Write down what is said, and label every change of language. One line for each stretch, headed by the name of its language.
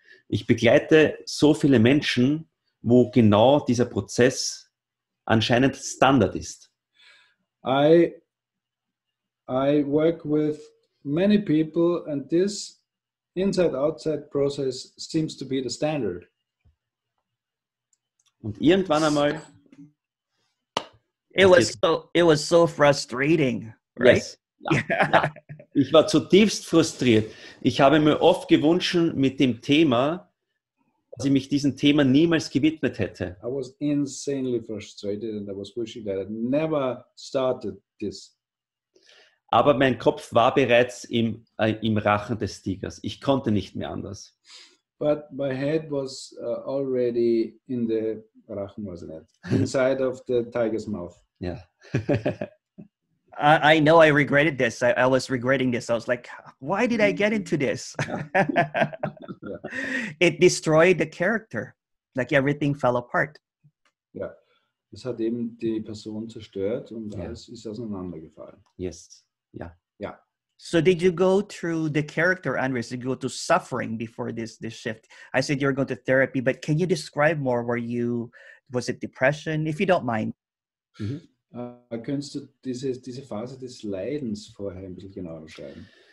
German: Ich begleite so viele Menschen, wo genau dieser Prozess anscheinend Standard ist.
English: I work with many people and this inside-outside process seems to be the standard.
German: Und irgendwann einmal
English: It was so frustrating, right? Yes.
German: Ja. Ja. Ich war zutiefst frustriert. Ich habe mir oft gewünscht mit dem Thema, dass ich mich diesem Thema niemals gewidmet hätte.
English: I was insanely frustrated and I was wishing that I never started this.
German: Aber mein Kopf war bereits im Rachen des Tigers. Ich konnte nicht mehr anders.
English: But my head was already in the Rachen, wasn't it? Inside of the tiger's mouth. Yeah. I know I regretted this. I was regretting this. I was like, why did I get into this? Yeah. It destroyed the character. Like everything fell apart. Yeah.
German: Es hat eben die Person zerstört und alles ist auseinandergefallen.
English: Yes.
German: Ja. Ja.
English: So did you go through the character, Andres? Did you go to suffering before this shift? I said you were going to therapy, but can you describe more? Was it depression, if you don't mind? Mm-hmm.
German: Kannst du diese Phase des Leidens vorher ein bisschen genauer beschreiben?